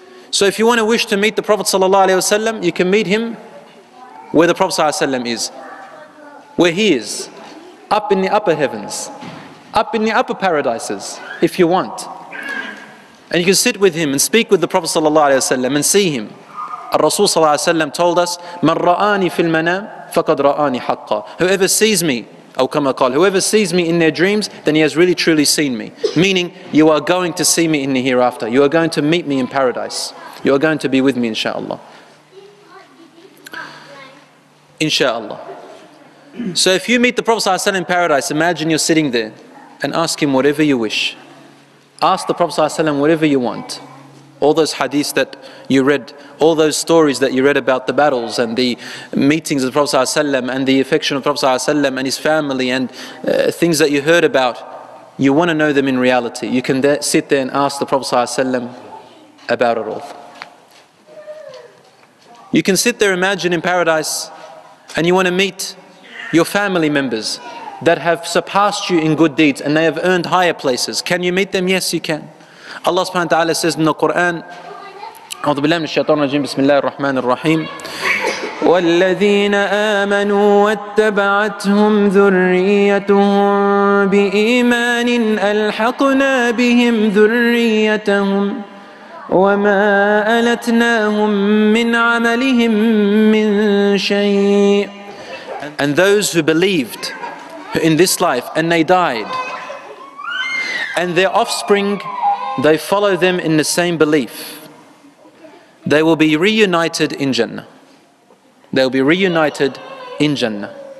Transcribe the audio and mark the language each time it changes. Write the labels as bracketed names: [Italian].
[English] So if you want to wish to meet the Prophet ﷺ, you can meet him where the Prophet ﷺ is. Where he is. Up in the upper heavens. Up in the upper paradises, if you want. And you can sit with him and speak with the Prophet ﷺ and see him. Rasul ﷺ told us, [Arabic] مَنْ رَآنِي فِي الْمَنَامِ فَقَدْ رَآنِي حَقَّ. [English] Whoever sees me, [Arabic] أو كما قال, [English] whoever sees me in their dreams, then he has really truly seen me. Meaning, you are going to see me in the hereafter. You are going to meet me in paradise. You are going to be with me, inshallah. Inshallah. So if you meet the Prophet ﷺ in paradise, imagine you're sitting there and ask him whatever you wish. Ask the Prophet ﷺ whatever you want. All those hadiths that you read, all those stories that you read about the battles and the meetings of the Prophet ﷺ and the affection of the Prophet ﷺ and his family and things that you heard about, you want to know them in reality. You can sit there and ask the Prophet ﷺ about it all. You can sit there, imagine in paradise, and you want to meet your family members that have surpassed you in good deeds and they have earned higher places. Can you meet them? Yes, you can. Allah subhanahu wa ta'ala says in the Quran, [Arabic] أعوذ بالله من الشيطان الرجيم بسم الله الرحمن الرحيم والذين آمنوا واتبعتهم ذريتهم بإيمان ألحقنا بهم ذريتهم وما ألتناهم من عملهم من شيء. [English] And those who believed in this life and they died and their offspring, they follow them in the same belief. They will be reunited in Jannah. They'll be reunited in Jannah.